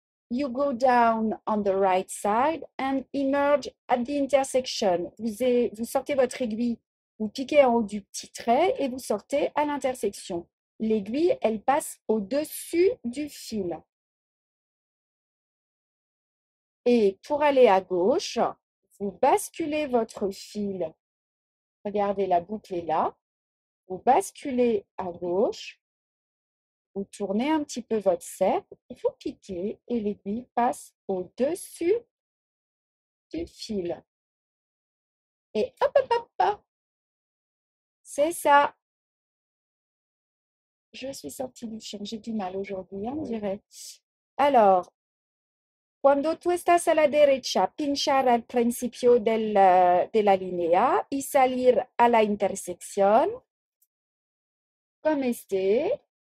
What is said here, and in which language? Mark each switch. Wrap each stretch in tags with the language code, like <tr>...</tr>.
<en>You go down on the right side and emerge at the intersection.</en> <fr>Vous sortez votre aiguille, vous piquez en haut du petit trait et vous sortez à l'intersection. L'aiguille, elle passe au-dessus du fil. Et pour aller à gauche, vous basculez votre fil. Regardez, la boucle est là. Vous basculez à gauche. Vous tournez un petit peu votre cercle, vous piquez et l'aiguille passe au-dessus du fil. Et hop, hop, hop, hop. C'est ça. Je suis sortie du champ, j'ai du mal aujourd'hui, hein, on dirait. Alors,</fr> <es>cuando tú estás a la derecha, pinchar al principio de la linea y salir a la intersección, comme este.</es>